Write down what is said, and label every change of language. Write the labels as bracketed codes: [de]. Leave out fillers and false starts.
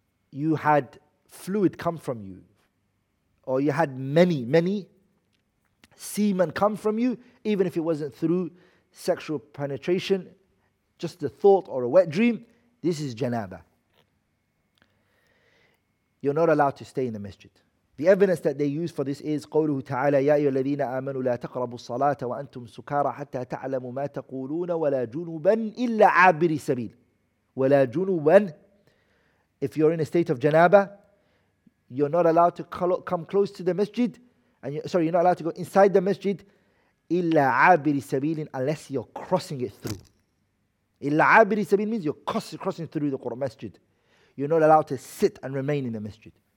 [en] you had fluid come from you or you had many semen come from you, even if it wasn't through sexual penetration, just the thought or a wet dream, this is janaba. You're not allowed to stay in the masjid. The evidence that they use for this is [ar] قوله تعالى يا أيها الذين آمنوا لا تقربوا الصلاة وأنتم سكارى حتى تعلموا ما تقولون ولا جنوبا إلا عابري سبيل ولا جنوبا. [en] If you're in a state of janaba, you're not allowed to come close to the masjid, and you're not allowed to go inside the masjid [ar] إلا عابري سبيل, [en] unless you're crossing it through. [ar] إلا عابري سبيل [en] means you're crossing through the Quran masjid. You're not allowed to sit and remain in the masjid.